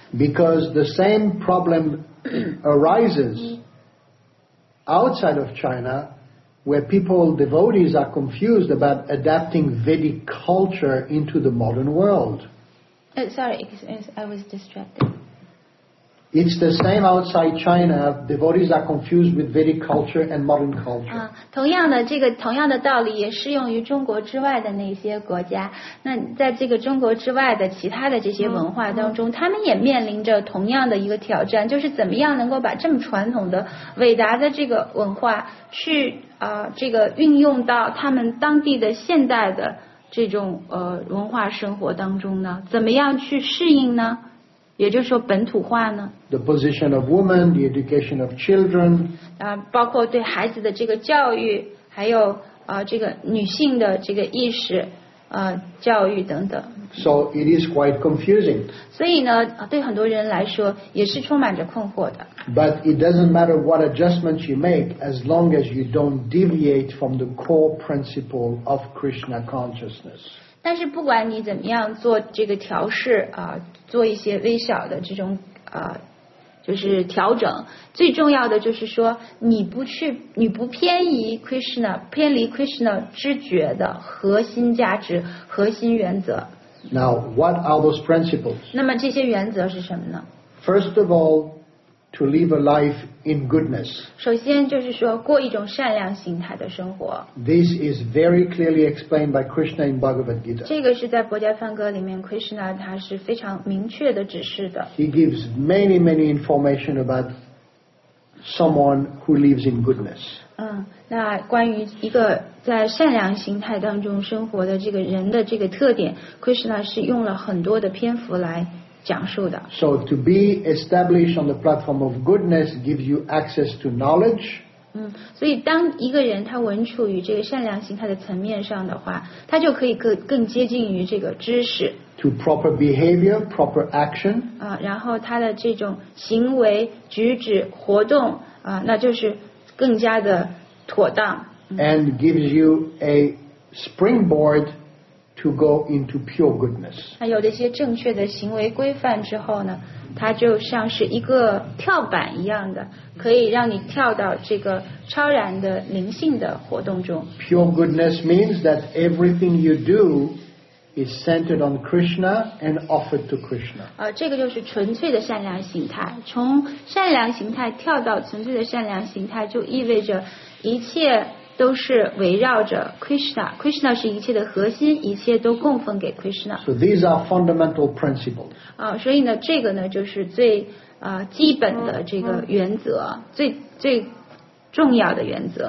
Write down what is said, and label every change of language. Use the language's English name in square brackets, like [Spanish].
[English] Because the same problem arises. Outside of China, where people, devotees, are confused about adapting Vedic culture into the modern world. Sorry, I was distracted. It's the same outside China, devotees are confused with Vedic culture and modern culture. [Chinese] 同样的，这个同样的道理也适用于中国之外的那些国家。那在这个中国之外的其他的这些文化当中，他们也面临着同样的一个挑战，就是怎么样能够把这么传统的伟达的这个文化去这个运用到他们当地的现代的这种文化生活当中呢？怎么样去适应呢？也就是说本土化呢 [English] The position of woman, the education of children [Chinese] 包括对孩子的这个教育还有这个女性的这个意识教育等等 [English] So it is quite confusing [Chinese] 所以呢对很多人来说也是充满着困惑的 [English] But it doesn't matter what adjustments you make as long as you don't deviate from the core principle of Krishna consciousness [Chinese] 但是不管你怎么样做这个调试做一些微小的这种就是调整最重要的就是说你不偏移 Krishna 偏离 Krishna 知觉的核心价值核心原则 [English] Now what are those principles? [Chinese] 那么这些原则是什么呢 [English] First of all to live a life in goodness [Chinese] 首先就是说过一种善良形态的生活 [English] This is very clearly explained by Krishna in Bhagavad Gita [Chinese] 这个是在《薄伽梵歌》里面 Krishna 他是非常明确的指示的 [English] He gives many many information about someone who lives in goodness [Chinese] 那关于一个在善良形态当中生活的这个人的这个特点 Krishna 是用了很多的篇幅来讲述的 [English] So to be established on the platform of goodness gives you access to knowledge. [Chinese] 所以当一个人他稳处于这个善良心态的层面上的话，他就可以更接近于这个知识。 [English] To proper behavior, proper action. [Chinese] 然后他的这种行为举止活动那就是更加的妥当。 [English] And gives you a springboard. To go into pure goodness. [Chinese] 那有这些正确的行为规范之后呢，它就像是一个跳板一样的，可以让你跳到这个超然的灵性的活动中。 [English] Pure goodness means that everything you do is centered on Krishna and offered to Krishna. [Chinese] 这个就是纯粹的善良形态。从善良形态跳到纯粹的善良形态，就意味着一切。都是围绕着 Krishna Krishna 是一切的核心一切都供奉给 Krishna [English] So these are fundamental principles [Chinese] 所以呢这个呢就是最基本的这个原则最重要的原则